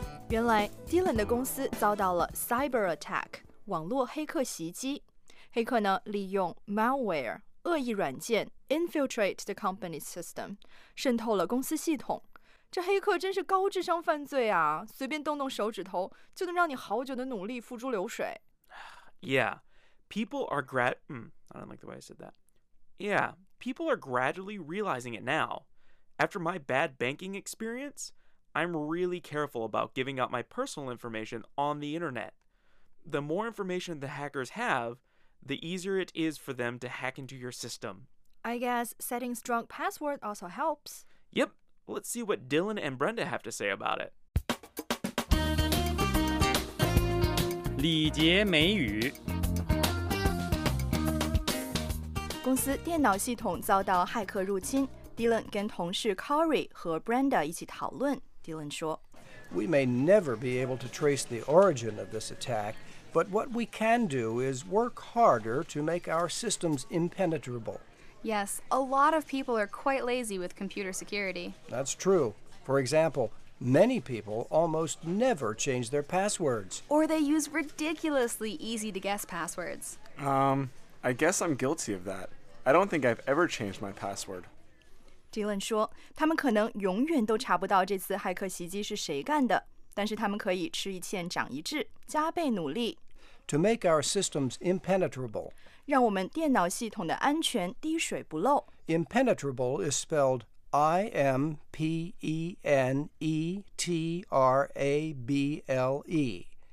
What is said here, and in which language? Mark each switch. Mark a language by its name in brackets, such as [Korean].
[Chinese] 原来 Dylan 的公司遭到了 cyber attack 网络黑客袭击，黑客呢利用 malware 恶意软件。 [English] Infiltrate the company's system, [Chinese] 渗透了公司系统。这黑客真是高智商犯罪啊，随便动动手指头就能让你好久的努力付诸流水。 [English] Yeah, people are I don't like the way I said that. Yeah, people are gradually realizing it now. After my bad banking experience, I'm really careful about giving out my personal information on the internet. The more information the hackers have, the easier it is for them to hack into your system. I guess setting strong password also helps. Yep. Let's see what Dylan and Brenda have to say about it. [Chinese] 礼节美语。公司电脑系统遭到骇客入侵。 Dylan 跟同事 Corey 和 Brenda 一起讨论。Dylan 说 [English] ，We may never be able to trace the origin of this attack, but what we can do is work harder to make our systems impenetrable. Yes, a lot of people are quite lazy with computer security. That's true. For example, many people almost never change their passwords. Or they use ridiculously easy-to-guess passwords. I guess I'm guilty of that. I don't think I've ever changed my password. [Chinese] Dylan 说，他们可能永远都查不到这次骇客袭击是谁干的，但是他们可以吃一堑长一智，加倍努力。 [English] To make our systems impenetrable. [Chinese] 让我们电脑系统的安全滴水不漏。 [English] Impenetrable is spelled I-M-P-E-N-E-T-R-A-B-L-E.